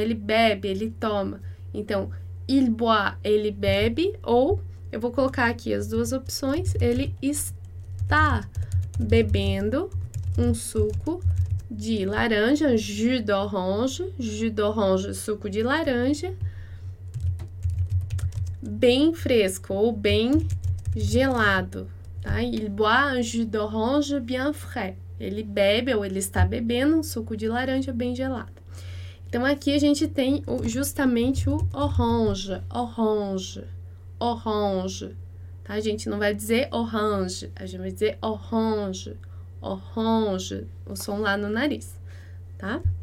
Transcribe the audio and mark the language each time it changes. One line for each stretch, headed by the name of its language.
Portuguese: Ele bebe, ele toma. Então,
French: il boit,
Portuguese: ele bebe, ou eu vou colocar aqui as duas opções, ele está bebendo um suco de laranja,
French: jus d'orange,
Portuguese: suco de laranja, bem fresco ou bem gelado, tá?
French: Il boit un jus d'orange bien frais.
Portuguese: Ele bebe ou ele está bebendo um suco de laranja bem gelado. Então, aqui a gente tem justamente o orange, orange, orange, tá? A gente não vai dizer orange, a gente vai dizer orange, orange, o som lá no nariz, tá?